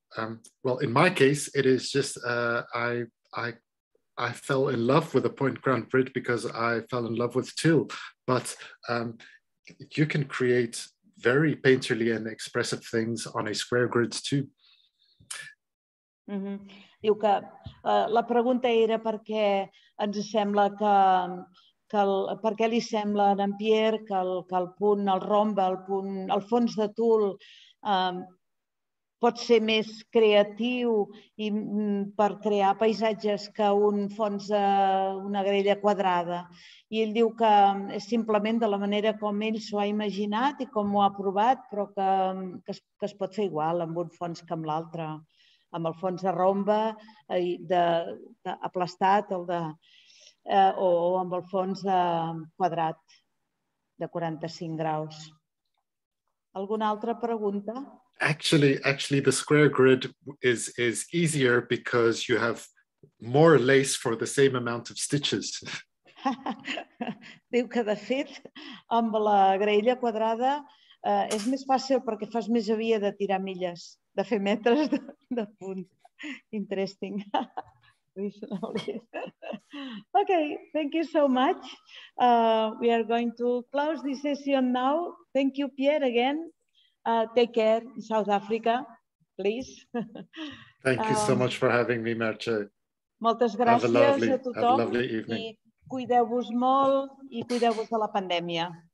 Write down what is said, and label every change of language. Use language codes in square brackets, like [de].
[en] In my case, it is just I fell in love with a point ground grid because I fell in love with teal. But you can create very painterly and expressive things on a square grid too. Mm-hmm. [ca] Diu que la pregunta era perquè ens sembla per què li sembla a en Pierre que el punt, el rombe, el punt, el fons de tul pot ser més creatiu i per crear paisatges que un fons una grella quadrada. I ell diu que és simplement de la manera com ell s'ho ha imaginat i com ho ha provat, però que es pot fer igual amb un fons que amb l'altre, amb el fons de rombe de aplastat, el de... o amb el fons de quadrat de 45 graus. Alguna altra pregunta? [en] Actually, the square grid is easier because you have more lace for the same amount of stitches. [ca] Diu que, de fet, amb la graella quadrada És més fàcil perquè fas més havia de tirar milles, de fer metres de punt. [en] Interesting. Okay, thank you so much. We are going to close this session now. Thank you, Pierre, again. Take care, South Africa, please. Thank you so much for having me, Merche. [ca] Moltes gràcies a tothom. [en] Have a lovely evening. [ca] I cuideu-vos molt i cuideu-vos de la pandèmia.